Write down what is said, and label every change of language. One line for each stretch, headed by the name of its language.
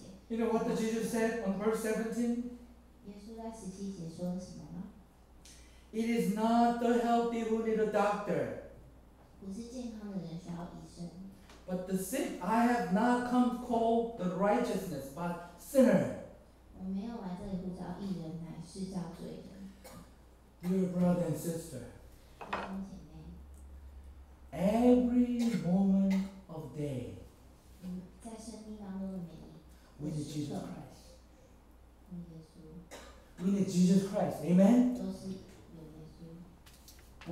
English: You know what Jesus said on verse 17?
Chinese: 耶稣在十七节说了什么吗?
English: It is not the healthy who need a doctor.
Chinese: 不是健康的人需要医生。
English: But the sin, I have not come to call the righteousness, but sinner.
Chinese: 我没有来这里呼召义人，乃是召罪人。
English: Dear brother and sister,
Chinese: 弟兄姐妹,
English: every moment of day,
Chinese: 在生命当中的每一刻,
English: we need Jesus Christ.
Chinese: 有耶稣。
English: We need Jesus Christ, amen?
Chinese: 都是有耶稣。